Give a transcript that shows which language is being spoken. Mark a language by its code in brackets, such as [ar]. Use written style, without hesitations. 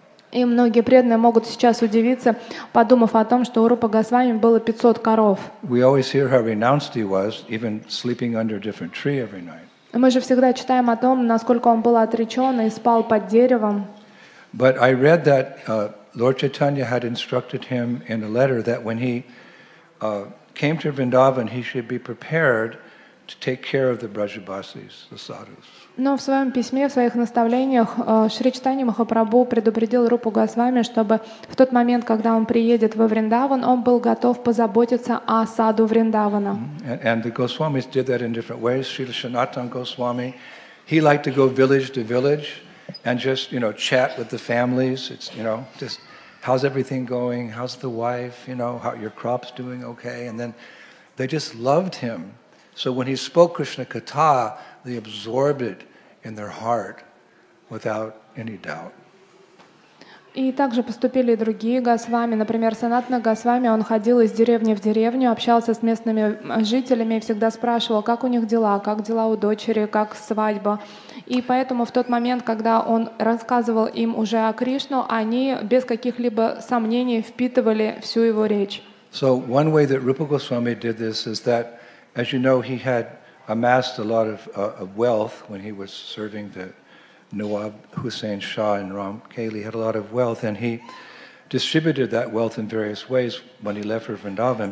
[ru] И многие преданные могут сейчас удивиться, подумав о том, что у Рупа Госвами было 500 коров. [en] We always hear how renounced he was, even sleeping under a different tree every night. [ru] Мы же всегда читаем о том, насколько он был отречен и спал под деревом. [en] But I read that Lord Chaitanya had instructed him in a letter that when he came to Vrindavan, he should be prepared to take care of the Brajabasis, the sadhus. [ru] Но в своем письме, в своих наставлениях Шри Чайтанья Махапрабху предупредил Рупу Госвами, чтобы в тот момент, когда он приедет во Вриндаван, он был готов позаботиться о саду Вриндавана. [en] And the Goswamis did that in different ways. Шри Шанатан Госвами, he liked to go village to village and just, you know, chat with the families. It's, you know, just how's everything going? How's the wife? You know, how your crops doing? Okay. And then they just loved him. So when he spoke Krishna Katha, they absorbed it in their heart without any doubt. [ru] И также поступили и другие Госвами. Например, Санатана Госвами, он ходил из деревни в деревню, общался с местными жителями и всегда спрашивал, как у них дела, как дела у дочери, как свадьба. И поэтому в тот момент, когда он рассказывал им уже о Кришне, они без каких-либо сомнений впитывали всю его речь. [en] So one way that Rupa Goswami did this is that, as you know, he had amassed a lot of wealth when he was serving the Nawab Hussein Shah in Ramkeli. He had a lot of wealth, and he distributed that wealth in various ways when he left for Vrindavan.